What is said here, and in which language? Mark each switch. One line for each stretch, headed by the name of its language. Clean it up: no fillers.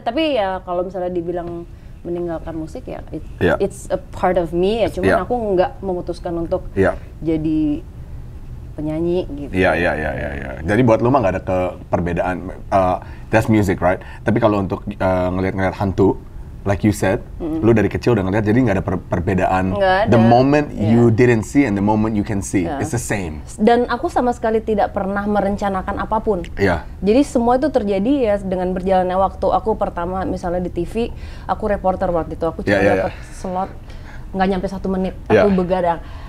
Indonesian: Tapi ya kalau misalnya dibilang meninggalkan musik ya
English: it's a part of me
Indonesian: ya cuman aku nggak memutuskan untuk jadi penyanyi gitu. Jadi buat lu mah nggak ada ke perbedaan
English: that's music right.
Indonesian: Tapi kalau untuk ngelihat hantu
English: like you said,
Indonesian: lu dari kecil udah ngelihat jadi nggak ada perbedaan ada.
English: The moment you didn't see and the moment you can see it's the same.
Indonesian: Dan aku sama sekali tidak pernah merencanakan apapun. Jadi semua itu terjadi ya dengan berjalannya waktu. Aku pertama misalnya di TV, aku reporter waktu itu, aku cuma dapat slot nggak nyampe 1 menit. Aku begadang.